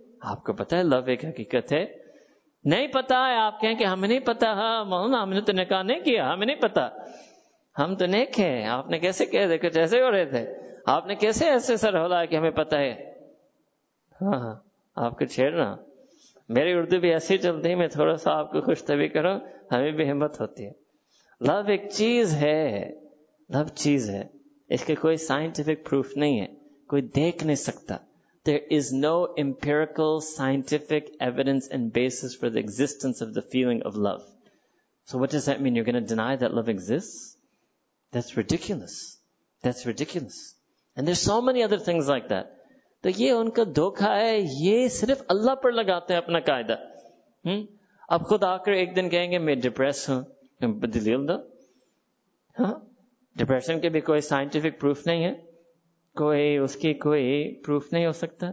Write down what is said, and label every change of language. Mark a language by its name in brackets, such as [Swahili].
[Urdu] آپ کو پتا ہے لو ایک حقیقت ہے. نہیں پتا ہے, آپ کہیں کہ ہمیں نہیں پتا, ہاں مولانا ہم نے تو نکاح نہیں کیا, ہمیں نہیں پتا, ہم تو نیک ہیں, آپ نے کیسے کہہ دے کچھ ایسے ہو رہے تھے, آپ نے کیسے ایسے سر ہولا کہ ہمیں پتا ہے. ہاں آپ کو چھیڑنا, میری اردو بھی ایسی چلتی ہے, میں تھوڑا سا آپ کو خوش طبی کروں, ہمیں بھی ہمت ہوتی ہے. لو ایک چیز ہے, لو چیز ہے, اس کے کوئی سائنٹیفک پروف نہیں ہے, کوئی دیکھ نہیں سکتا. [English] There is no empirical scientific evidence and basis for the existence of the feeling of love. So what does that mean? You're going to deny that love exists? That's ridiculous. That's ridiculous. And there's so many other things like that. [Urdu] تو یہ ان کا دھوکا ہے, یہ صرف اللہ پر لگاتے ہیں اپنا قاعدہ. اب خود آ کر ایک دن کہیں گے میں ڈپریس ہوں, دلیل دو. ڈپریشن کے بھی کوئی سائنٹیفک پروف نہیں ہے, کوئی اس کی کوئی پروف نہیں ہو سکتا.